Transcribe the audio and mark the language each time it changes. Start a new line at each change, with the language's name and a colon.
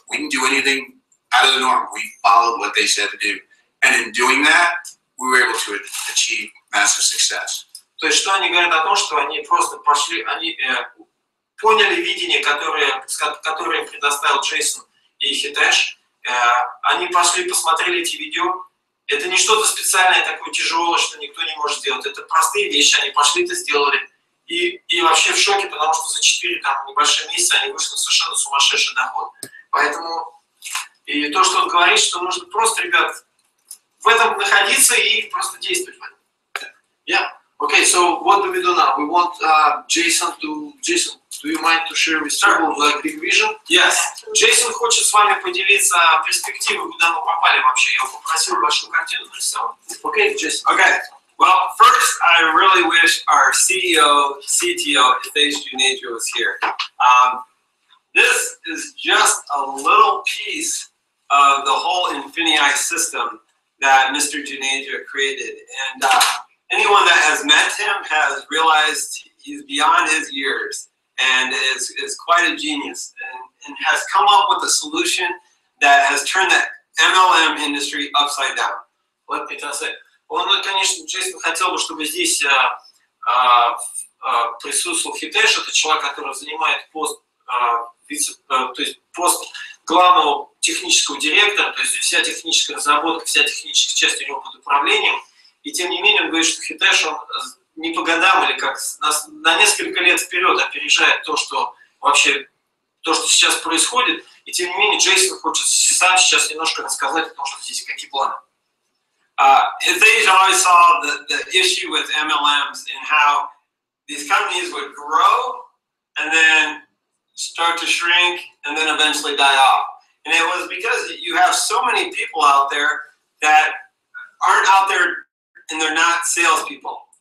English: We didn't do anything out of the norm. We followed what they said to do. And in doing that, we were able to achieve massive success.
Russian: То есть, что они говорят о том, что они просто пошли, они поняли видение, которое им предоставил Джейсон и Хитеш. Они пошли, посмотрели эти видео. Это не что-то специальное, такое тяжелое, что никто не может сделать. Это простые вещи, они пошли, это сделали. И вообще в шоке, потому что за 4 там, небольшие месяца они вышли на совершенно сумасшедший доход. Поэтому... И то, что он говорит, что нужно просто, ребят, в этом находиться и просто действовать в этом.
English: Yeah. Okay, so what do we do now? We want Jason, do you mind to share with people the big vision? Yes.
Russian: Jason хочет с вами поделиться перспективой, куда мы попали вообще. Я попросил вашу картину нарисовать.
English: Okay, Jason. Okay. Well, first, I really wish our CTO, Hitesh Juneja, was here. This is just a little piece of the whole Infinii system that Mr. Juneja created. And anyone that has met him has realized he's beyond his years and is quite a genius and has come up with a solution that has turned the MLM industry upside down. Let me just say,
Russian: он, конечно, честно хотел бы, чтобы здесь присутствовал Хитеш, это человек, который занимает пост пост главного технического директора, то есть вся техническая разработка, вся техническая часть у него под управлением. И тем не менее, он говорит, что Хитеш, он не по годам или как на несколько лет вперед опережает то, что вообще то, что сейчас происходит. И тем не менее, Джейсон хочет сам сейчас немножко рассказать о том, что здесь какие планы.
English: Hitesh always saw the issue with MLMs and how these companies would grow and then start to shrink and then eventually die off. And it was because you have so many people out there that aren't out there and they're not salespeople.